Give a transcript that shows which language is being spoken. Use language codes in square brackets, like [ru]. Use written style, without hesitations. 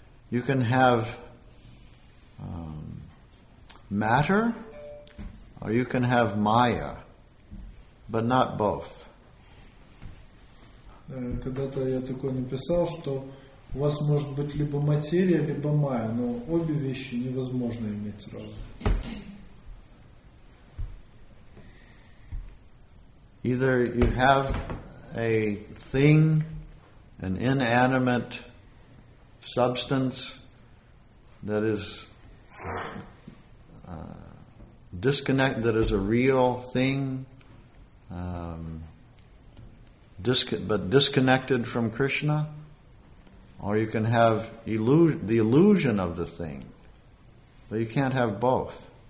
[en] You can have matter, or you can have Maya, but not both. [ru] Когда-то я такое написал, что у вас может быть либо материя, либо Maya, но обе вещи невозможно иметь сразу. [en] Either you have a thing, an inanimate substance that is disconnected, that is a real thing, but disconnected from Krishna, or you can have the illusion of the thing, but you can't have both.